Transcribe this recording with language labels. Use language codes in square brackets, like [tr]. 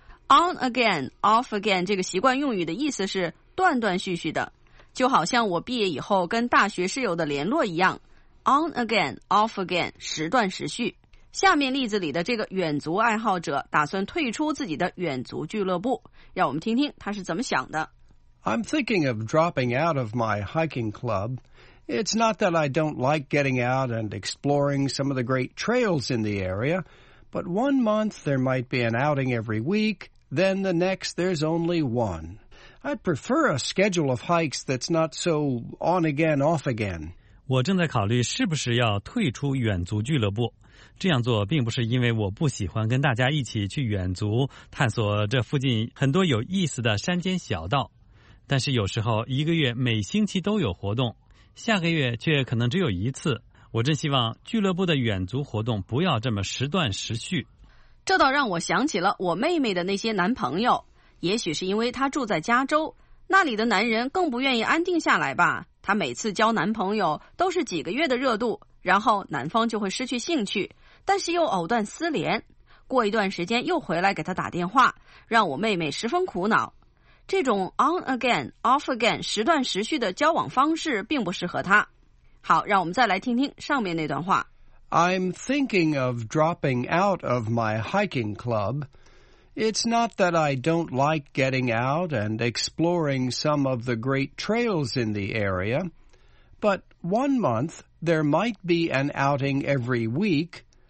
[en] On again, off again [zh] 这个习惯用语的意思是断断续续的，就好像我毕业以后跟大学室友的联络一样。 [en] On again, off again, [zh] 时断时续。下面例子里的这个远足爱好者打算退出自己的远足俱乐部，让我们听听他是怎么想的。 [en] I'm thinking of dropping out of my hiking club. It's not that I don't like getting out and exploring some of the great trails in the area, but 1 month there might be an outing every week. Then the next, there's only one. I'd prefer a schedule of hikes that's not so on again, off again. [zh] 我正在考虑是不是要退出远足俱乐部。这样做并不是因为我不喜欢跟大家一起去远足，探索这附近很多有意思的山间小道。但是有时候一个月每星期都有活动，下个月却可能只有一次。我真希望俱乐部的远足活动不要这么时断时续。这倒让我想起了我妹妹的那些男朋友，也许是因为她住在加州，那里的男人更不愿意安定下来吧。她每次交男朋友都是几个月的热度，然后男方就会失去兴趣，但是又藕断丝连，过一段时间又回来给她打电话，让我妹妹十分苦恼。这种 [en] on again, off again, [zh] 时断时续的交往方式并不适合她。好，让我们再来听听上面那段话。 [en] I'm thinking of dropping out of my hiking club. It's not that I don't like getting out and exploring some of the great trails in the area, But 1 month, there might be an outing every week.